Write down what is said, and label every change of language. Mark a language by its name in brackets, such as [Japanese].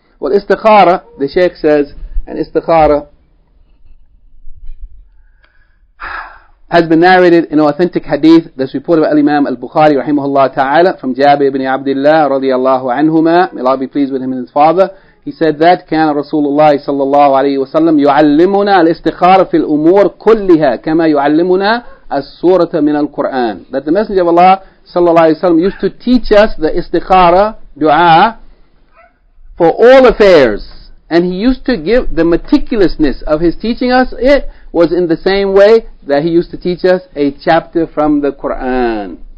[English] Well, istikhara, the Shaykh says, and istikhara has been narrated in an authentic hadith that's reported by Imam al-Bukhari rahimahullah ta'ala from Jabir ibn Abdullah radiyallahu anhuma, may Allah be pleased with him and his father. He said that [Arabic] كَانَ رَسُولُ اللَّهِ صَلَّى اللَّهُ عَلَيْهِ وَسَلَّمْ يُعَلِّمُنَا الْإِسْتِخَارَ فِي الْأُمُورِ كُلِّهَا كَمَا يُعَلِّمُنَا السُّورَةَ مِنَ الْقُرْآنِ. [English] That the Messenger of Allah [Arabic] صلى الله عليه وسلم [English] used to teach us the istikhara, dua, for all affairs. And he used to give the meticulousness of his teaching us it was in the same way that he used to teach us a chapter from the Qur'an.